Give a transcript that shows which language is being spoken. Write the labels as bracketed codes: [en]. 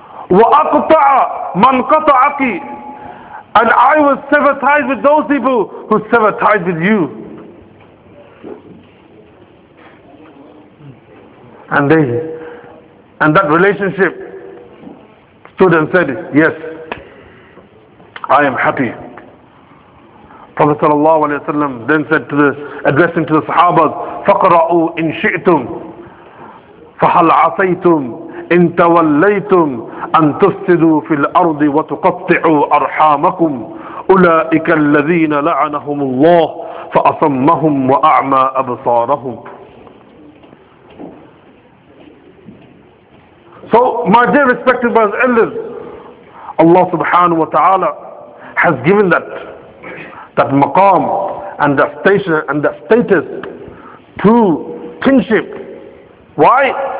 [ar] وأقطع من قطعك, [en] and I will sever ties with those people who sever ties with you. And that relationship Student said, yes, I am happy. Prophet sallallahu alayhi wa sallam then said to the, addressing to the Sahabas, [ar] فَقْرَأُوا إِنْ شِئْتُمْ فَحَلْ عَصَيْتُمْ إِنْ تَوَلَّيْتُمْ أَنْ تُفْسِدُوا فِي الْأَرْضِ وَتُقَطِّعُوا أَرْحَامَكُمْ أُولَئِكَ الَّذِينَ لَعَنَهُمُ اللَّهُ فَأَصَمَّهُمْ وَأَعْمَى أَبْصَارَهُمْ. [en] So my dear respected brothers and elders, Allah subhanahu wa ta'ala has given that maqam and that station and that status to kinship. Why?